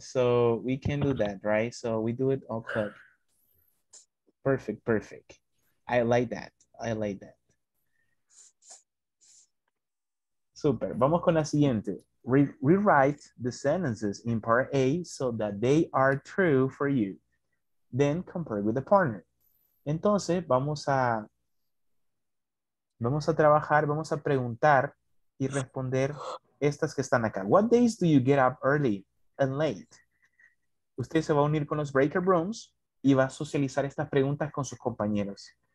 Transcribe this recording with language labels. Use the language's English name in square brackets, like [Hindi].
[English] So we can do that, right? So we do it o'clock. Perfect, perfect. I like that. I like that. [Spanish] Super. Vamos con la siguiente. [English] Rewrite the sentences in part A so that they are true for you. Then compare with the partner. [Spanish] Entonces, vamos a trabajar, vamos a preguntar y responder estas que están acá. [English] What days do you get up early and late? [Spanish] Usted se va a unir con los breaker rooms y va a socializar estas preguntas con sus compañeros.